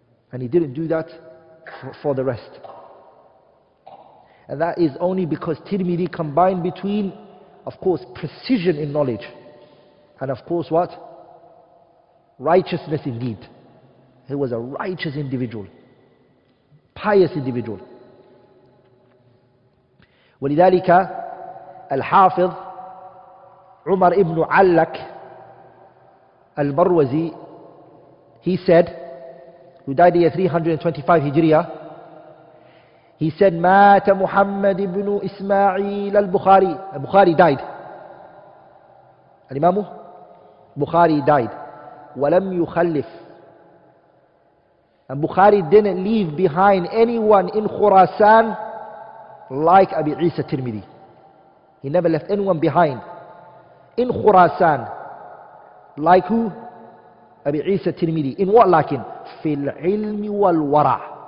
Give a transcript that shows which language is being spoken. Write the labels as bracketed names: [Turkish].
[English] And he didn't do that for the rest. And that is only because Tirmidhi combined between, of course, precision in knowledge, and of course what? Righteousness indeed. He was a righteous individual, pious individual. [Arabic] ولذلك الحافظ عمر ابن علك البروزي, [English] he said, who died the year 325 Hijriah, he said, [Arabic] مات محمد بن إسماعيل البخاري. [English] البخاري died. الإمام بخاري died. [Arabic] ولم يخلف. [English] And Bukhari didn't leave behind anyone in Khurasan like Abi Isa Tirmidhi. He never left anyone behind in Khurasan like who? Abi Isa Tirmidhi. In what lakin? [Arabic] في العلم والورع.